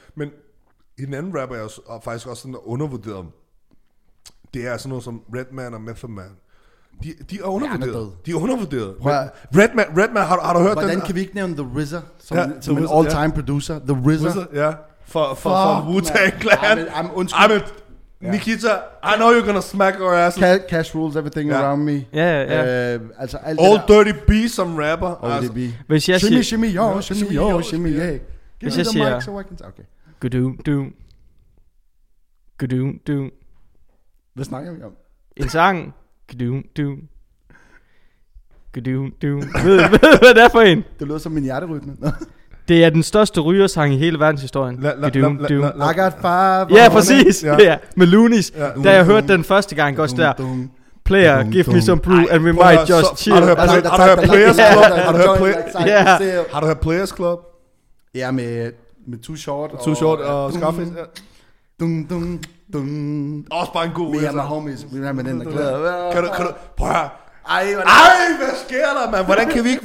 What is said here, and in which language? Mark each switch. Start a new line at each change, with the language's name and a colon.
Danish: Men en anden rapper, jeg er faktisk også sådan undervurderet om, det er sådan noget som Redman og Method Man. De er undervurderet. De er undervurderet. Redman, har du hørt den? Hvordan kan vi ikke nævne The RZA, som en all-time producer? The RZA? Ja, for Wu-Tang Clan.
English: Nikita, I know you're gonna smack our asses. Cash rules everything around me. Yeah.
Danish: All Dirty B som rapper. All Dirty B. Hvis jeg siger
English: shimmy yo, shimmy yo, shimmy yeah. Give me the mic so I can talk. Okay. Gudum dum. Gudum dum.
Danish: Hvad snakker vi om? En sang. Gudum dum. Gudum dum. Hvad er det for en? Det lyder som min hjerterytme. Det er den største rygersang i hele verdenshistorien.
English: I got five.
Danish: Ja, præcis. Med Loonies. Da jeg hørte den første gang, går der.
English: Player, give me some brew, and we might just chill.
Danish: Har du hørt Players Club? Ja, med Too Short. Too Short og Scarface. Også bare en god rygersang.
English: Me and my homies.
Danish: Vi er med den, der glæder. Prøv at høre. Ej, hvad sker der, man? Hvordan kan vi ikke?